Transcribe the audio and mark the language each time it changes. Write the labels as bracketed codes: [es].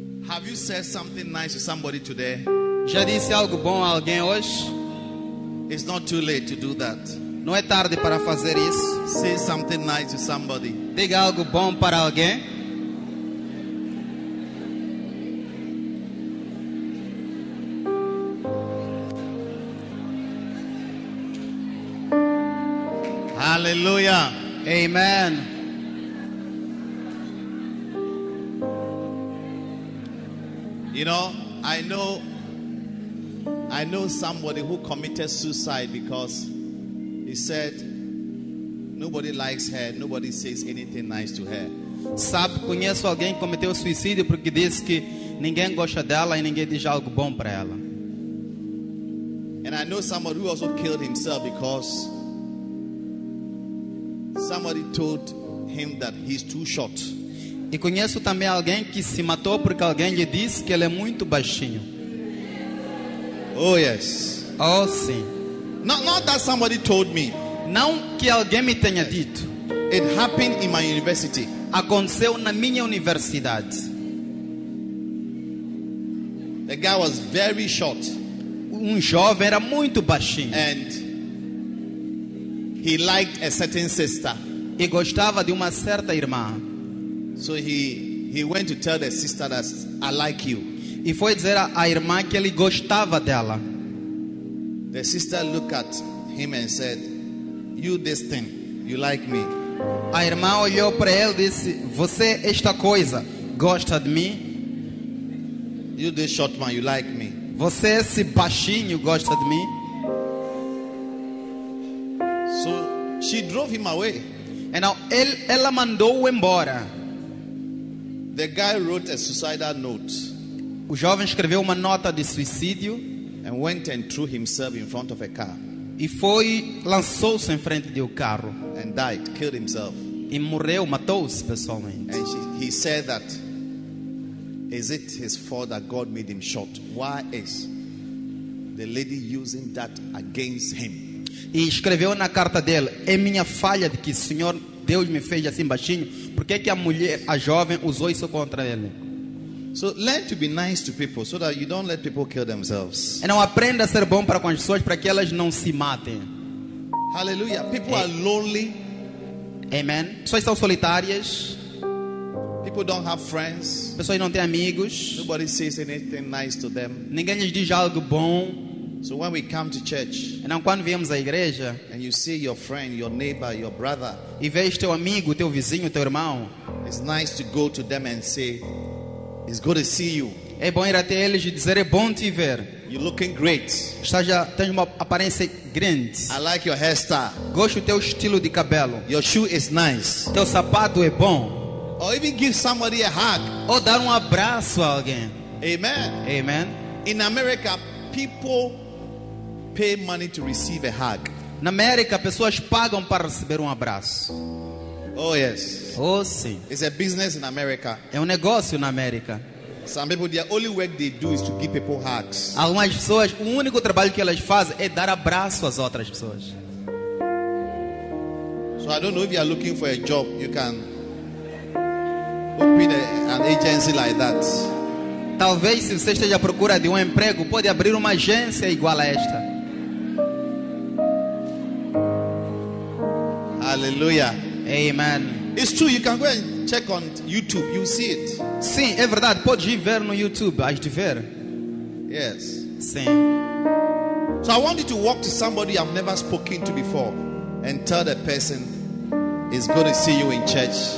[en] Have you said something nice to somebody today? [pt] Já disse algo bom a alguém hoje? [en] It's not too late to do that. [pt] Não é tarde para fazer isso. [en] Say something nice to somebody. [pt] Diga algo bom para alguém. [en] Hallelujah. [pt] Amen. [en] You know, I know somebody who committed suicide because he said nobody likes her, nobody says anything nice to her. [pt] Sabe, conheço alguém que cometeu suicídio porque disse que ninguém gosta dela e ninguém diz algo bom para ela. [en] And I know somebody who also killed himself because somebody told him that he's too short. [pt] E conheço também alguém que se matou porque alguém lhe disse que ele é muito baixinho. [en] Oh yes. [pt] Oh sim. [en] Not that somebody told me. [pt] Não que alguém me tenha dito. [en] It happened in my university. [pt] Aconteceu na minha universidade. [en] The guy was very short. [pt] Um jovem era muito baixinho. [en] And he liked a certain sister. [pt] E gostava de uma certa irmã. [en] So he went to tell the sister that I like you. [pt] E foi dizer à irmã que ele gostava dela. [en] The sister looked at him and said, "You this thing, you like me?" [pt] A irmã olhou para ele e disse, "Você esta coisa, gosta de mim?" [en] "You this short man, you like me?" [pt] Você esse baixinho, gosta de mim? [en] So she drove him away. And now [pt] ela mandou-o embora. [en] The guy wrote a suicidal note. [pt] O jovem escreveu uma nota de suicídio [en] and went and threw himself in front of a car. [pt] E foi lançou-se em frente de um carro [en] and died, killed himself. [pt] E morreu, matou-se pessoalmente. [en] And he said that is it his fault that God made him short? Why is the lady using that against him? [pt] E escreveu na carta dele, é minha falha de que o Senhor Deus me fez assim baixinho. Por que a mulher, a jovem, usou isso contra ele? [en] So learn to be nice to people so that you don't let people kill themselves. [pt] E não aprenda a ser bom para com as pessoas para que elas não se matem. [en] Hallelujah. People are lonely. [pt] Amen. Pessoas são solitárias. [en] People don't have friends. [pt] Pessoas não têm amigos. [en] Nobody says anything nice to them. [pt] Ninguém lhes diz algo bom. [en] So when we come to church, [pt] então quando viemos à igreja, [en] and you see your friend, your neighbor, your brother, [pt] e vês teu amigo, teu vizinho, teu irmão, [en] it's nice to go to them and say, it's good to see you. [pt] É bom ir até eles e dizer é bom te ver. [en] You're looking great. [pt] Estás já tens uma aparência grande. [en] I like your hairstyle. [pt] Gosto do teu estilo de cabelo. [en] Your shoe is nice. [pt] Teu sapato é bom. [en] Or even give somebody a hug. [pt] Ou dar um abraço a alguém. [en] Amen. [pt] Amen. [en] In America, people pay money to receive a hug. [pt] Na América, pessoas pagam para receber um abraço. [en] Oh yes. [pt] Oh sim. [en] It's a business in America. [pt] É negócio na América. [en] Some people, the only work they do is to give people hugs. [pt] Algumas pessoas, o único trabalho que elas fazem é dar abraço às outras pessoas. [en] So I don't know if you are looking for a job, you can open an agency like that. [pt] Talvez se você esteja à procura de um emprego, pode abrir uma agência igual a esta. [en] Hallelujah. [pt] Amen. [en] It's true, you can go and check on YouTube, you see it. [pt] Sim, é verdade, pode ir ver no YouTube, has de ver. [en] Yes. [pt] Sim. [en] So I want you to walk to somebody I've never spoken to before and tell the person it's good to see you in church.